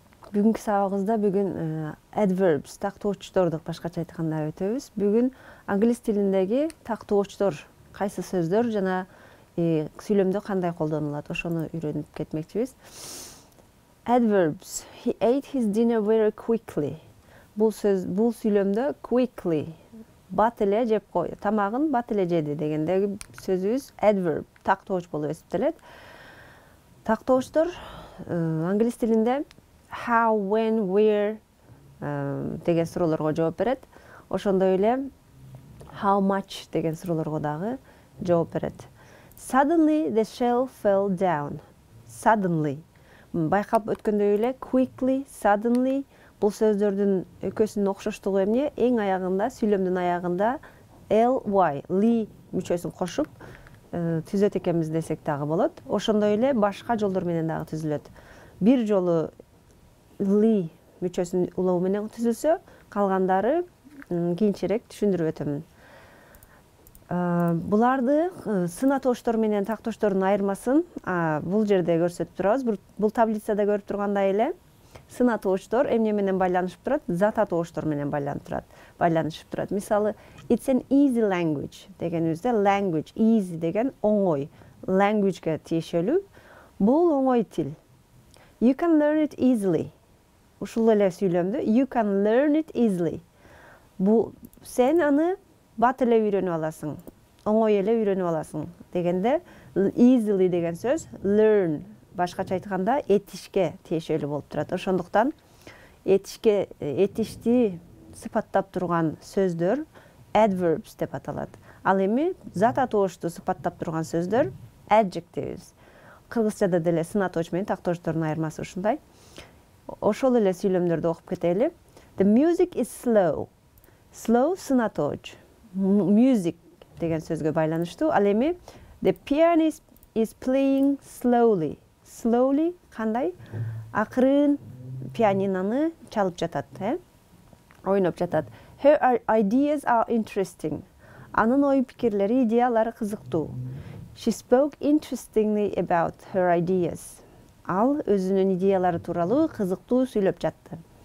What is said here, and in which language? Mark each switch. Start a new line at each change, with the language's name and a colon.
Kyrgyz: Бүгүнкү сабагыбызда бүгүн adverbs, тактоочторду башкача айтканда өтөбүз. Бүгүн англис тилиндеги тактоочтор, кайсы сөздөр жана сүйлөмдө кандай колдонулат, ошону үйрөнүп кетмекчибиз.
English: Adverbs. He ate his dinner very quickly.
Kyrgyz: Бул сөз, бул сүйлөмдө quickly, бат эле жеп койду. Тамагын бат эле жеди дегендеги сөзүбүз adverb, тактоочу болуп эсептелет. Тактоочтор англис тилинде how, when, where деген суроолорго жооп берет. Ошондой эле how much деген суроолорго дагы жооп берет.
English: Suddenly the shell fell down. Suddenly.
Kyrgyz: Байкап өткөндөй эле quickly, suddenly бул сөздөрдүн экөөсүнүн окшоштугу эмне? Эң аягында, сүйлөмдүн аягында ly, ly мүчөсүн кошуп түзөт экенбиз десек дагы болот. Ошондой эле башка жолдор менен дагы түзүлөт. Бир жолу ly мүчөсүн улоо менен түзүлсө, калгандары кийинчерээк түшүндүрүп өтөмүн. Буларды сынатоочтор менен тактоочтордун айырмасын бул жерде көрсөтүп турабыз. Бул таблицада көрүп тургандай эле сынатоочтор эмне менен байланышып турат? Зататоочтор менен байланышып турат. Мисалы,
English: it's an easy language
Kyrgyz: дегенибизде language, easy деген оңой, language-ге тиешелүү. Бул оңой тил.
English: You can learn it easily.
Kyrgyz: Ушул эле сүйлөмдү
English: you can learn it easily.
Kyrgyz: Бул сен аны бат эле үйрөнүп аласың, оңой эле үйрөнүп аласың дегенде easily деген сөз learn, башкача айтканда этишке тиешелүү болуп турат. Ошондуктан этишке, этишти сыпаттап турган сөздөр adverbs деп аталат. Ал эми зат атоочту сыпаттап турган сөздөр adjectives. Кыргызчада деле сынатоочу менен тактоочтордун айырмасы ушундай. Ошол эле сүйлөмдөрдү окуп кетели.
English: The music is slow.
Kyrgyz: Slow сынатоочу. Music деген сөзгө байланыштуу. Ал эми
English: the pianist is playing slowly.
Kyrgyz: Slowly кандай? Акырын пианиноны чалып жатат, э? Ойноп жатат.
English: Her ideas are interesting.
Kyrgyz: Анын ой пикирлери, идеялары кызыктуу.
English: She spoke interestingly about her ideas.
Kyrgyz: Ал өзүнүн идеялары тууралуу кызыктуу сүйлөп жатты.